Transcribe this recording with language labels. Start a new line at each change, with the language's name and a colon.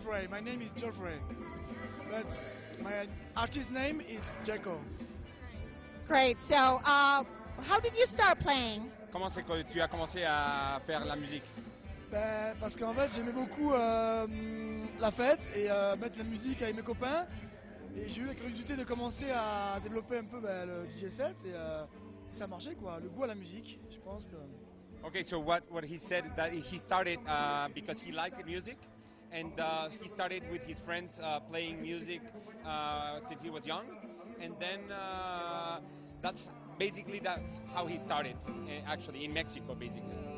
English: My name is Geoffrey, but my artist name is Jekko. Great, so how did you start playing?
French: Comment c'est que tu as commencé à faire la musique? Parce qu'en fait j'aimais beaucoup la fête et mettre la musique avec mes copains et j'ai eu la curiosité de commencer à développer un peu le DJ set et ça marchait quoi, le goût à la musique, je pense que...
English: Okay, so what he said that he started because he liked music and he started with his friends playing music since he was young and then that's basically that's how he started actually in Mexico basically.